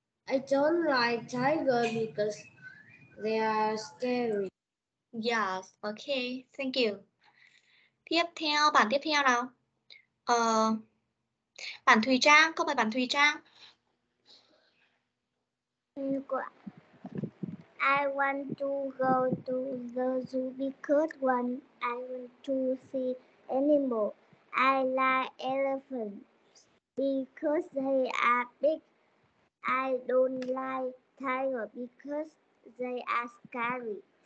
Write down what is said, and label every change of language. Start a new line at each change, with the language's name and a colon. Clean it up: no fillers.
English: I don't like tiger because they are scary. Yes, okay, thank you.
Vietnamese: Tiếp theo, bạn tiếp theo nào. Bạn Thùy Trang, không phải bạn Thùy Trang.
English: I want to go to the zoo because when I want to see animals, I like elephants because they are big. I don't like tigers because they are scary.